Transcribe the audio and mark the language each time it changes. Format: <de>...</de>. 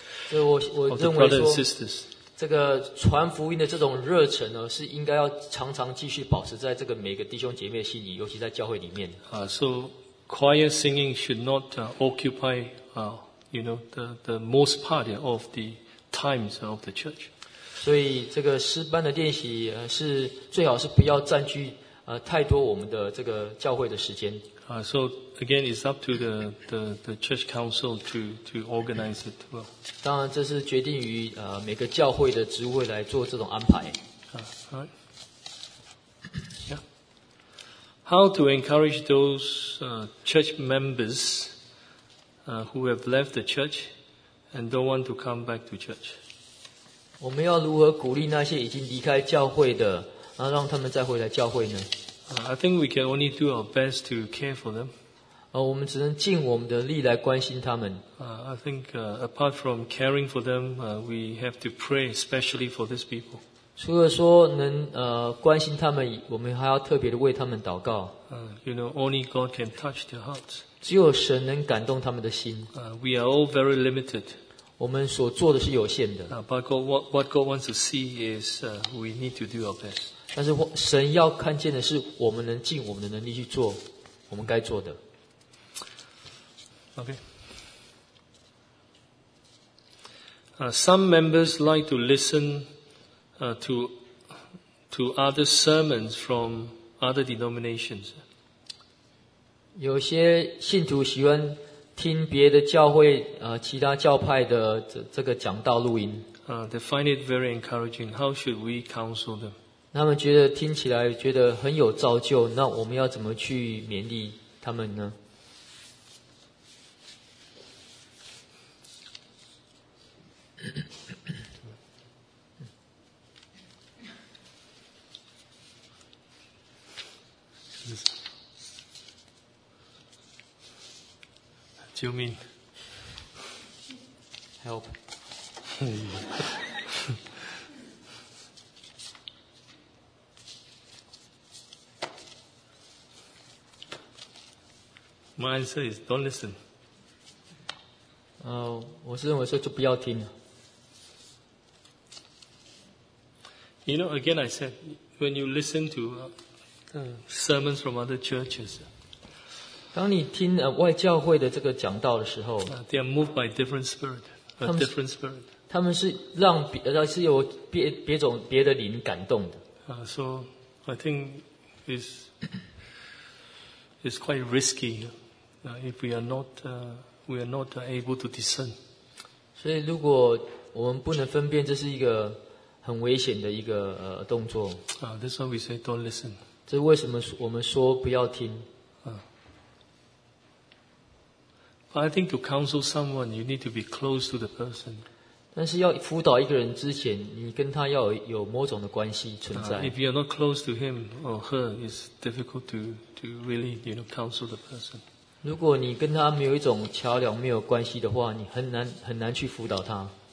<zh>所以我认为说这个传福音的这种热忱呢，是应该要常常继续保持在这个每个弟兄姐妹心里，尤其在教会里面。</zh> <en>So choir singing should not occupy, the most part of the times of the church.</en> <zh>所以这个诗班的练习是最好是不要占据太多我们的这个教会的时间。</zh> <en>So again, it's up to the church council to organize it well.</en> <zh>当然，这是决定于每个教会的职位来做这种安排。</zh> <en>How to encourage those church members who have left the church and don't want to come back to church?</en> <zh>我们要如何鼓励那些已经离开教会的，然后让他们再回来教会呢？</zh> <en>I think we can only do our best to care for them.</en> <zh>我们只能尽我们的力来关心他们。</zh> <en>I think apart from caring for them, we have to pray especially for these people.</en> <zh>除了说能关心他们，我们还要特别的为他们祷告。</zh> <en>Only God can touch their hearts.</en> <zh>只有神能感动他们的心。</zh> <en>We are all very limited.</en> <zh>我们所做的是有限的。</zh> <en>But God, what God wants to see is we need to do our best. 但是神要看见的是我们能尽我们的能力去做我们该做的。 OK. Some members like to listen to other sermons from other denominations.</en> <zh>有些信徒喜欢听别的教会其他教派的这个讲道录音。</zh> <en>They find it very encouraging. How should we counsel them?</en> <zh>他们觉得听起来觉得很有造就，那我们要怎么去勉励他们呢？救命</zh> <en>！Help！嗯。 My answer is don't listen.</en> <zh>我是认为说就不要听了。</zh> <en>You know, again, I said when you listen to sermons from other churches.</en> <zh>当你听外教会的这个讲道的时候</zh> <en>，they are moved by different spirit, a different spirit.</en> <zh>他们是让是有别种别的灵感动的。</zh> <en>So I think it's quite risky if we are not able to discern.</en> <zh>所以如果我们不能分辨，这是一个很危险的一个动作。</zh> <en>That's why we say don't listen.</en> <zh>这为什么我们说不要听？</zh> <en>I think to counsel someone, you need to be close to the person.</en> <zh>但是要辅导一个人之前，你跟他要有某种的关系存在。</zh> <en>If you are not close to him or her, it's difficult to really, you know, counsel the person.</en> <zh>如果你跟他没有一种桥梁、没有关系的话，你很难去辅导他。</zh>